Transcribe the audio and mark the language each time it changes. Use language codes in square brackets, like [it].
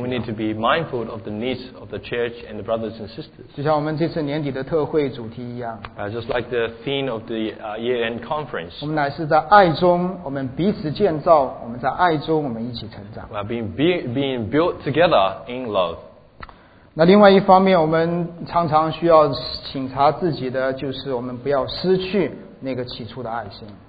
[en] We need to be mindful of the needs of the church and the brothers and sisters. [zh] 就像我们这次年底的特会主题一样。 [en] Just like the theme of the year-end conference. [zh] 我们乃是在爱中，我们彼此建造，我们在爱中，我们一起成长。 [en] Being built together in love. [zh] 那另外一方面，我们常常需要省察自己的，就是我们不要失去那个起初的爱心。